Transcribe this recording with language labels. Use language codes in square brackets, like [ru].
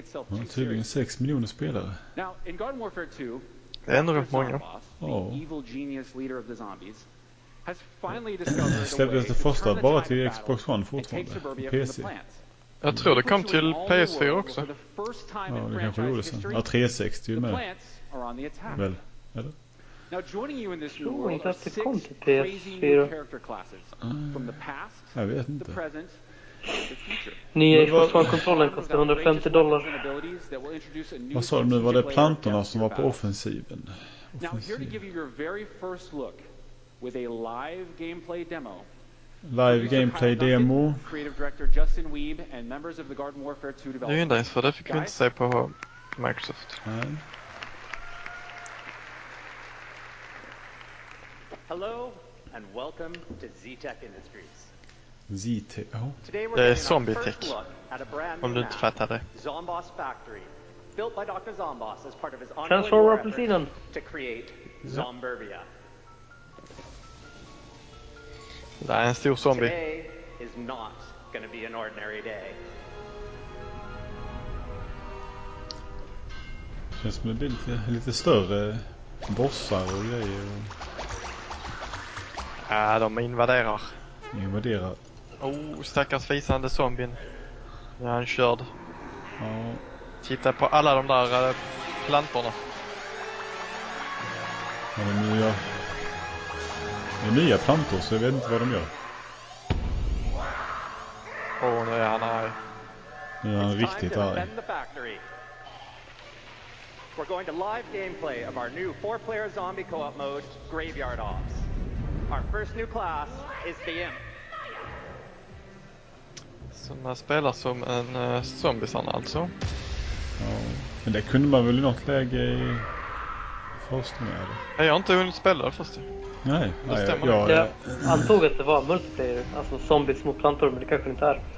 [sv] Man har tydligen 6 miljoner spelare. [en] Now, in Garden Warfare 2, [sv] det är ändå rätt många. [en] The evil genius leader of the zombies has finally discovered the [sv] första bara till Xbox One fortfarande. PC. Jag tror det kom till PS4 också. Ja, det kanske gjorde sen. Ja, 360 med. Väl, eller? [en] Now joining you in this new world are 6 crazy new character classes from the past, [sv] jag vet inte. Nya Xbox One-kontrollen kostar $150. Vad sa du nu? Var det plantorna som var på offensiven? Offensiv. [en] Now here to give you your very first look with a live gameplay demo. Live gameplay demo. Creative director Justin Weeb and members of the Garden Warfare 2 developer. [sv] Det är ju nice, för det fick vi inte se på Microsoft. Nej. [en] Hello and welcome to ZTech Industries. ZTech. Oh. [sv] Det är Zombie-tech. Om du inte fattar det. Zomboss Factory, [en] built by Dr. Zomboss as part of his ongoing effort to create Zomburbia. [sv] Det är en stor zombie. [en] Today is not going to be an ordinary day. [sv] Det känns som att det blir lite större bossar och grejer. Ja, de invaderar. Invaderar. Oh, stackars fisande zombien. Nu är han körd. Ja. Titta på alla de där plantorna. Ja, de nya. Det är nya plantor, så jag vet inte vad de gör. Åh, oh, nu är han arg. Nu är han riktigt arg. [en] We're going to live gameplay of our new four-player zombie co-op mode, Graveyard Ops. Our first new class is the Imp. [sv] Sådana spelar som en zombiesan alltså. Ja, men det kunde man väl i något läge i först med. Jag har inte hunnit spela det först. Nej, det jag antog att det var multiplayer, alltså zombies mot plantor, men det kanske inte är.